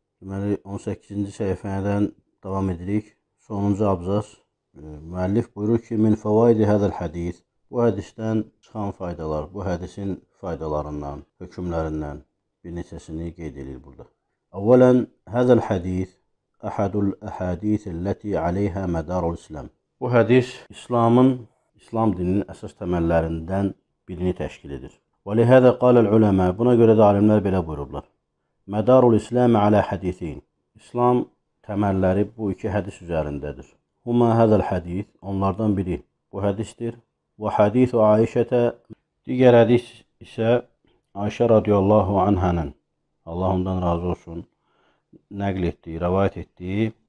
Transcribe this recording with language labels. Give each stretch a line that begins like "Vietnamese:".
Azerbaijani: Deməli, 18-ci səhifədən davam edirik. Sonuncu abzas, müəllif buyurur ki,
Arabic: min fəvaidi hədəl hədis.
Azerbaijani: Bu hədisdən çıxan faydalar, bu hədisin faydalarından, hökümlərindən bir neçəsini qeyd edir burada. Əvvələn,
Arabic: hədəl hədis. أحد الأحاديث التي عليها مدار الإسلام.
Azerbaijani: Bu hədis İslam dininin əsas təməllərindən birini təşkil edir.
Arabic: ولهذا قال العلماء
Azerbaijani: buna görə də alimlər belə buyurublar.
Arabic: مدار الإسلام على حديثين.
Azerbaijani: İslam təməlləri bu iki hədis üzərindədir.
Arabic: هما هذا الحديث
Azerbaijani: onlardan biri bu hədisdir.
Arabic: وحديث عائشة
Azerbaijani: digər hədis isə Ayşə radiyallahu anhənin. Allah ondan razı olsun. Nəql etdiyi, rəvayət etdiyi